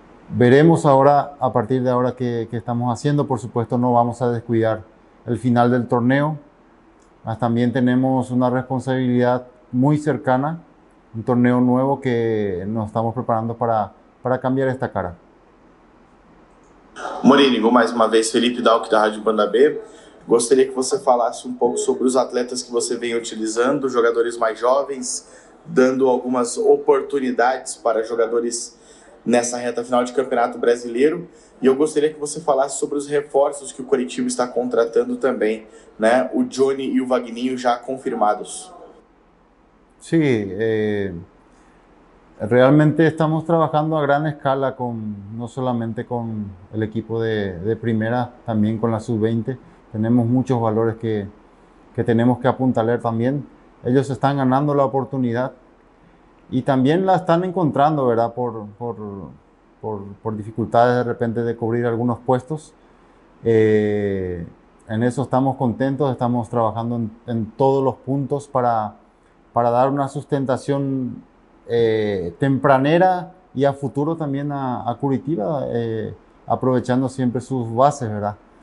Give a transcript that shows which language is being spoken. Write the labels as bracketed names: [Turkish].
[Spanish] Veremos ahora, a partir de ahora, qué estamos haciendo. Por supuesto, no vamos a descuidar el final del torneo. Mas también tenemos una responsabilidad muy cercana, un torneo nuevo que nos estamos preparando para cambiar esta cara. Mourinho, más una vez, Felipe Dauk, de la Radio Banda B. [Portuguese] Gostaria que você falasse um pouco sobre os atletas que você vem utilizando, jogadores mais jovens, dando algumas oportunidades para jogadores nessa reta final de Campeonato Brasileiro. E eu gostaria que você falasse sobre os reforços que o Coritiba está contratando também, né? O Johnny e o Vagninho já confirmados. [Spanish] Sim, realmente estamos trabalhando a grande escala, não solamente com o equipo de primeira, [Portuguese] também com a sub-20. [Spanish] Tenemos muchos valores que tenemos que apuntalar también. Ellos están ganando la oportunidad y también la están encontrando, ¿verdad? Por dificultades de repente de cubrir algunos puestos. En eso estamos contentos, estamos trabajando en todos los puntos para dar una sustentación tempranera y a futuro también a Curitiba, aprovechando siempre sus bases, ¿verdad?